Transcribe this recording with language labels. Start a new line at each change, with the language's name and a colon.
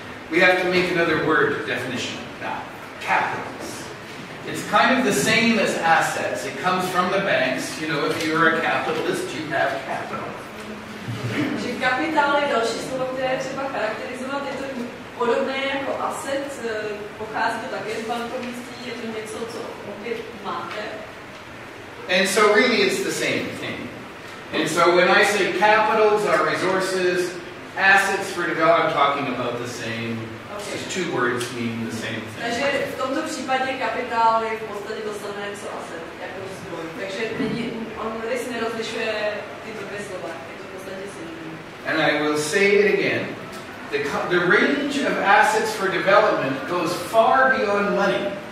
English: We have to make another word definition now. Capital. It's kind of the same as assets. It comes from the banks. You know, if you're a capitalist, you have capital.
Czech: Že kapitál je další slovo, které třeba charakterizovat. Je to podobné jako asset, pochází to také z bankovnictví, je to něco, co opět máte.
English: And so really it's the same thing. And so when I say capitals are resources, assets for the God, I'm talking about the same. Just two words mean the same thing.
Czech: Takže v tomto případě kapitál je v podstatě to samé, co asset, jako zdroj. Takže on tady si nerozlišuje tyto dvě slova, je to v podstatě synonym.
English: And I will say it again. The range of assets for development goes far beyond money.